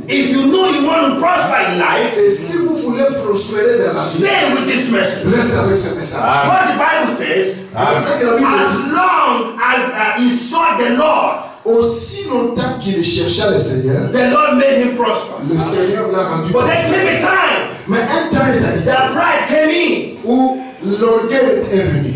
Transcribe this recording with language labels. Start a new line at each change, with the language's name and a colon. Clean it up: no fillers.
English: If you know you want to prosper in life,
French: et si vous voulez prospérer dans la vie,
English: stay with this message.
French: Restez avec ce message.
English: What the Bible says, as long as he sought the Lord,
French: aussi longtemps qu'il chercha le Seigneur,
English: the Lord made him prosper.
French: Le Seigneur l'a rendu
English: but prospère. There came a time,
French: mais un temps est arrivé,
English: the bride came in,
French: où l'orgueil est venu,